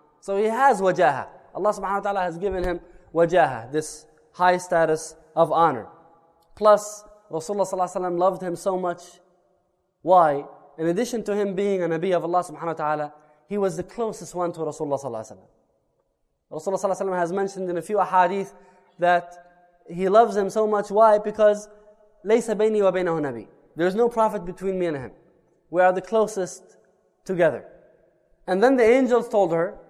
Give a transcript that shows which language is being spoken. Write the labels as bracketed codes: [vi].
[en] So he has wajaha. Allah subhanahu wa ta'ala has given him wajaha, this high status of honor. Plus, Rasulullah sallallahu alayhi wa sallam loved him so much. Why? In addition to him being a Nabi of Allah subhanahu wa ta'ala, he was the closest one to Rasulullah sallallahu alayhi wa sallam. Rasulullah sallallahu alayhi wa sallam has mentioned in a few ahadith that he loves him so much. Why? Because [ar] ليس بيني وبينه نبي. [en] There is no prophet between me and him. We are the closest together. And then the angels told her,